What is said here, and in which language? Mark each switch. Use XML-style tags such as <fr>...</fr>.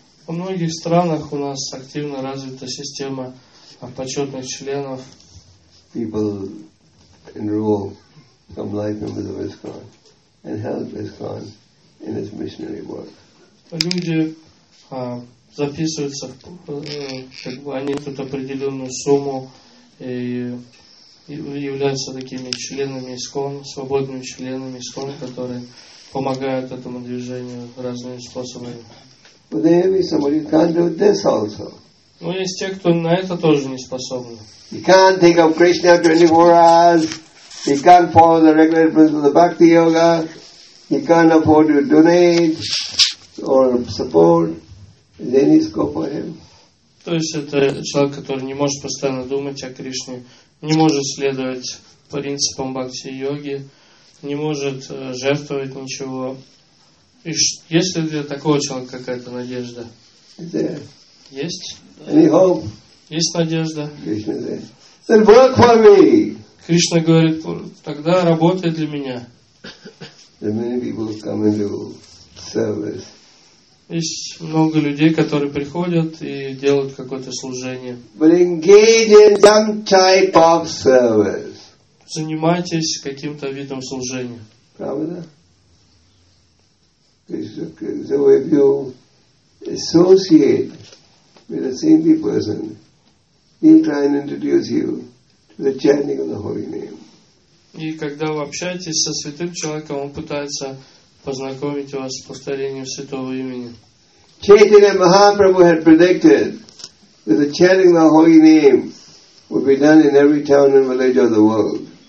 <ru>Во многих странах у нас активно развита система почетных членов.</ru> <en>People enroll some life members of ISKCON and help ISKCON in its missionary work.</en> <ru>Люди записываются, как бы они тут определенную сумму и являются такими членами ИСККОН, свободными членами ИСККОН, которые помогают этому движению разными способами.</ru> <en>But there may be somebody who can't do this also.</en> <ru>Но есть те, кто на это тоже не способны.</ru> <en>You can't think of Krishna 24 hours. You can't follow the regular principles of the bhakti yoga. You can't afford to donate or support. Then it's good for him.</en> <ru>То есть это человек, который не может постоянно думать о Кришне, не может следовать принципам бхакти йоги, не может жертвовать ничего. И есть ли для такого человека какая-то надежда? Есть?</ru> <en>Any hope?</en> <ru>Есть надежда.</ru> <en>Then work for me.</en> <ru>Кришна говорит, тогда работай для меня.</ru> <en>Then many people come into service</en> <ru>Есть много людей, которые приходят и делают какое-то служение.</ru> <en>But engage in some type of service.</en> <ru>Занимайтесь каким-то видом служения. Правда?</ru> <en>So if you associate with a saintly person, he'll try and introduce you to the chanting of the holy name.</en> <ru>И когда вы общаетесь со святым человеком, он пытается познакомить вас с повторением святого имени.</ru> <en>Chaitanya Mahaprabhu had predicted that the chanting of the holy name would be done in every town and village of the world.</en>